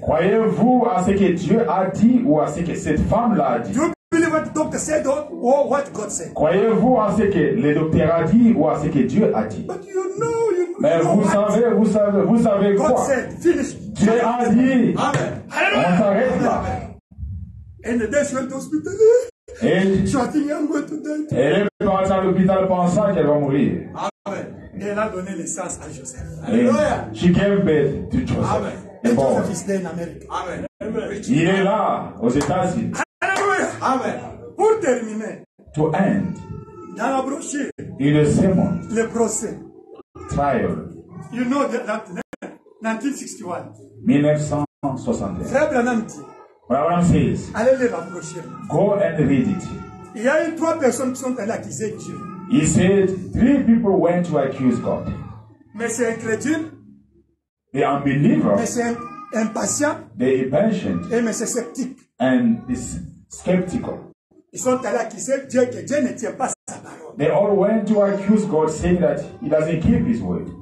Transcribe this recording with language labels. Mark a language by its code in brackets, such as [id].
[fr] Croyez-vous à ce que Dieu a dit ou à ce que cette femme là a dit? [en] Believe what the doctor said or what God said. [fr] Croyez-vous à ce que le docteur a dit ou à ce que Dieu a dit? [en] But you know, you [fr] mais [en] know [fr] vous [en] what? [fr] Savez, vous savez, vous savez [en] God [fr] quoi? [en] God said, finish. [fr] Dieu a dit. [en] Amen. [fr] On s'arrête là. [en] And the day she went to hospital. [fr] Et [en] she was thinking I'm going to die. [fr] Elle est partie à l'hôpital pensant qu'elle va mourir. Amen. Elle a donné naissance à Joseph. [en] Hallelujah. She gave birth to Joseph. Amen. And Joseph is there in America. [fr] Amen. Il est là aux États-Unis. Amen. Pour terminer, [en] to end, [fr] dans la brochure, [en] in the sermon, [fr] le procès, [en] trial, you know that 1961, 1961. [fr] Frère Branham dit, [en] Branham says, [fr] allez lire la brochure. [en] Go and read it. [fr] Il y a 3 personnes qui sont allées accuser Dieu. [en] He said three people went to accuse God. [fr] Mais c'est incrédule. [en] The unbeliever. [fr] Mais c'est impatient. [en] The impatient. [fr] Et mais c'est sceptique. [en] And this skeptical. [fr] Ils sont allés accuser Dieu que Dieu ne tient pas sa parole. [en] They all went to accuse God, saying that he doesn't keep his word.